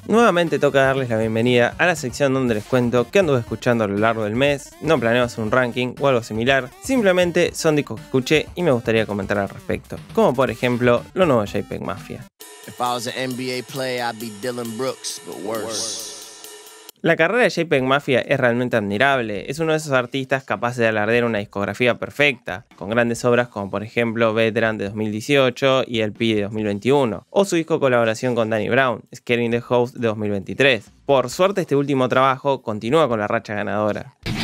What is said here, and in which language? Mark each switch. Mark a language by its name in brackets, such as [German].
[Spanish] Nuevamente toca darles la bienvenida a la sección donde les cuento qué anduve escuchando a lo largo del mes. No planeo hacer un ranking o algo similar, simplemente son discos que escuché y me gustaría comentar al respecto, como por ejemplo lo nuevo JPEG Mafia. [English] If I was an NBA player, I'd be Dylan Brooks, but worse. [Spanish] La carrera de JPEG Mafia es realmente admirable. Es uno de esos artistas capaces de alardear una discografía perfecta, con grandes obras como por ejemplo Veteran de 2018 y El Pi de 2021, o su disco colaboración con Danny Brown, Scaring the House de 2023. Por suerte, este último trabajo continúa con la racha ganadora.